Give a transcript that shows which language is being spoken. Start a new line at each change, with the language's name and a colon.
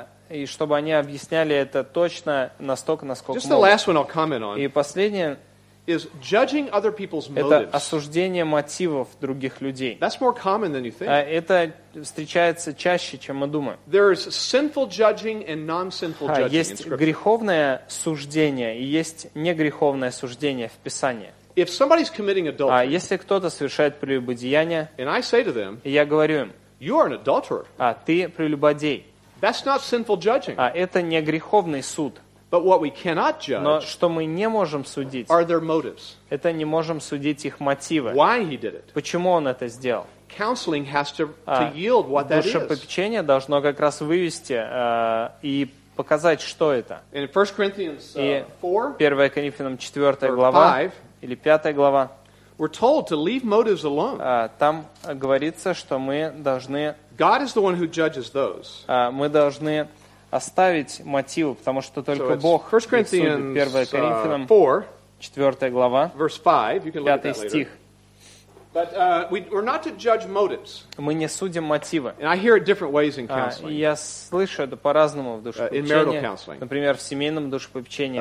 Russian: И чтобы они объясняли это точно, настолько, насколько могут. И последнее.
English: Is judging other people's motives.
Russian: Это осуждение мотивов других людей.
English: That's more common than you think.
Russian: Это встречается чаще, чем мы думаем.
English: There is sinful judging and non-sinful judging.
Russian: Есть греховное суждение и есть негреховное суждение в Писании.
English: If somebody's committing adultery,
Russian: если кто-то совершает прелюбодеяние,
English: and I say to them,
Russian: я говорю им,
English: you are an adulterer.
Russian: Ты прелюбодей.
English: That's not sinful judging.
Russian: Это не греховный суд.
English: But what we cannot judge,
Russian: но что мы не можем судить,
English: are their motives.
Russian: Это не можем судить их мотивы.
English: Why he did it.
Russian: Почему он это сделал?
English: Counseling has to yield what that is.
Russian: Душепопечение должно как раз вывести и показать, что это.
English: In 1 Corinthians 4,
Russian: 1 Коринфянам 4 глава,
English: 5,
Russian: или 5 глава,
English: we're told to leave motives alone.
Russian: Там говорится, что мы должны...
English: God is the one who judges those.
Russian: Мы должны... оставить мотивы, потому что только Бог их судит. 1 Коринфянам 4 глава, 5 стих.
English: But we're not to judge motives.
Russian: Мы не судим мотивы.
English: And I hear it different ways in counseling.
Russian: Я слышу это по-разному в душепопечении.
English: In marital counseling.
Russian: Например, в семейном душепопечении.